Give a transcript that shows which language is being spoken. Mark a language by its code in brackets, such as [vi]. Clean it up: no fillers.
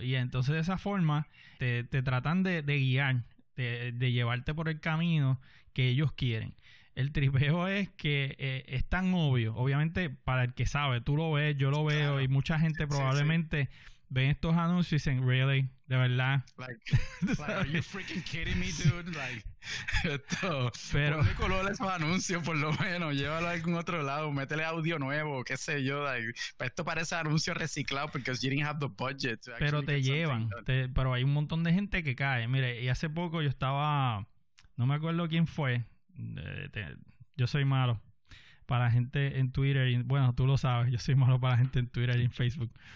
[es] Y entonces de esa forma te tratan de guiar, de llevarte por el camino que ellos quieren. El tripeo es que es tan obvio, obviamente para el que sabe, tú lo ves, yo lo veo, claro. Y mucha gente probablemente sí. Ven estos anuncios y dicen, [en] really, [es] de verdad. [en] Like, are you freaking kidding me, dude? [es] Like, esto, pero ponle color a esos anuncios, por lo menos, llévalo a algún otro lado, métele audio nuevo, qué sé yo. [en] Like, [es] esto parece anuncio reciclado porque [en] you didn't have the budget. [es] Pero te llevan, pero hay un montón de gente que cae. Mire, y hace poco yo estaba, no me acuerdo quién fue, yo soy malo para la gente en Twitter, bueno, tú lo sabes, yo soy malo para la gente en Twitter y en Facebook.